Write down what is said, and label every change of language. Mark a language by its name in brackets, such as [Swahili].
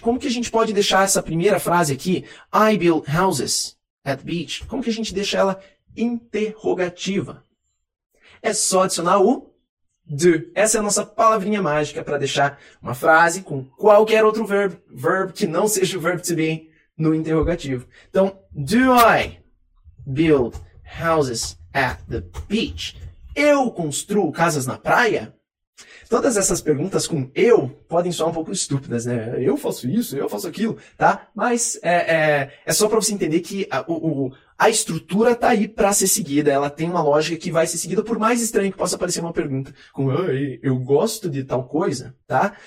[Portuguese] Como que a gente pode deixar essa primeira frase aqui, [English] I build houses at the beach, [Portuguese] como que a gente deixa ela interrogativa? É só adicionar o do. Essa é a nossa palavrinha mágica para deixar uma frase com qualquer outro verbo que não seja o verbo to be no interrogativo. Então, [English] do I build houses at the beach? [Portuguese] Eu construo casas na praia? Todas essas perguntas com eu podem soar um pouco estúpidas, né? Eu faço isso, eu faço aquilo, tá? Mas é só para você entender que a estrutura tá aí para ser seguida. Ela tem uma lógica que vai ser seguida, por mais estranho que possa parecer uma pergunta com eu gosto de tal coisa, tá?